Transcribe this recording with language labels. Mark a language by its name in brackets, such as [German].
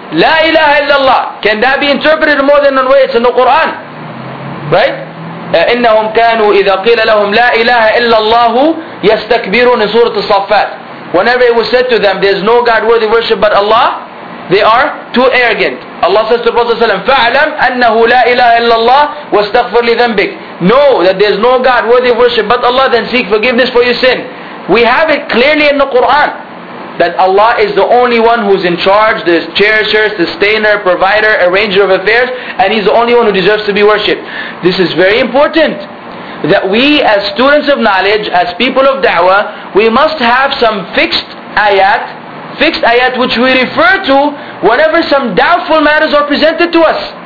[English] La ilaha illallah. Can that be interpreted in more than one way? It's in the Quran. [Arabic] Right? إِنَّهُمْ كَانُوا إِذَا قِيلَ لَهُمْ لَا إِلَهَ إِلَّا اللَّهُ يَسْتَكْبِرُونَ سُورَةِ الصَّفَّاتِ. [English] Whenever it was said to them, there's no God worthy worship but Allah, they are too arrogant. Allah says to the Prophet ﷺ, [Arabic] فَعْلَمْ أَنَّهُ لَا إِلَهَ إِلَّا اللَّهُ وَاسْتَغْفِرْ لِذَنْبِكَ. [English] Know that there's no God worthy worship but Allah, then seek forgiveness for your sin. We have it clearly in the Quran, that Allah is the only one who's in charge, the cherisher, sustainer, provider, arranger of affairs, and He's the only one who deserves to be worshipped. This is very important, that we as students of knowledge, as people of da'wah, we must have some fixed ayat which we refer to whenever some doubtful matters are presented to us.